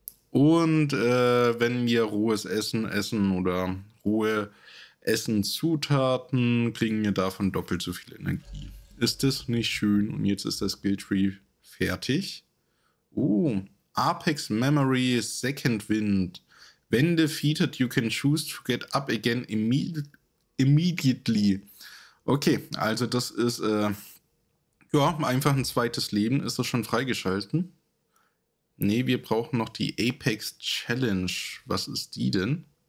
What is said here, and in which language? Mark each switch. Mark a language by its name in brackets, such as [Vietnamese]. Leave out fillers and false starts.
[German] Und wenn wir rohes Essen essen oder rohe Essenzutaten, kriegen wir davon doppelt so viel Energie. Ist das nicht schön? Und jetzt ist das Skilltree fertig. [English] Apex Memory Second Wind. When defeated, you can choose to get up again immediately. [German] Okay, also das ist, einfach ein zweites Leben. Ist das schon freigeschalten? Nee, wir brauchen noch die Apex Challenge. Was ist die denn?